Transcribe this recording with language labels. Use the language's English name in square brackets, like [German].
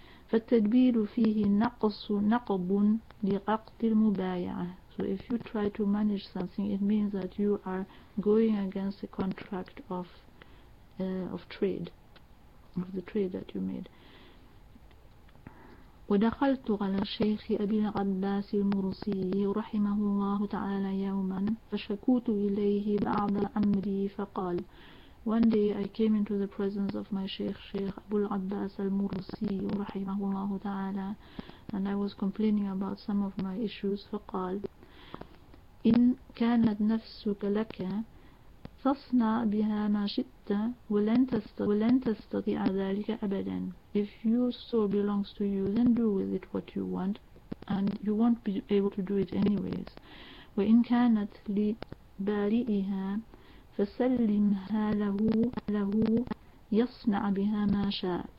[Arabic] فالتدبير فيه نقض لعقد المبايعة. [English] So if you try to manage something, it means that you are going against the contract of trade, of the trade that you made. [Arabic] ودخلت على الشيخ أبي العباس المرسي رحمه الله تعالى يوما فشكوت إليه بعض أمري فقال. [English] One day I came into the presence of my Sheikh, Sheikh Abu al-Abbas al-Mursi, [Arabic] رحمه الله تعالى, [English] and I was complaining about some of my issues. [Arabic] فقال إن كانت نفسك لك تصنع بها ما شئت ولن تستطيع ذلك أبدا. [English] If your soul belongs to you, then do with it what you want, and you won't be able to do it anyways. [Arabic] وإن كانت لبارئها فسلمها له يصنع بها ما شاء.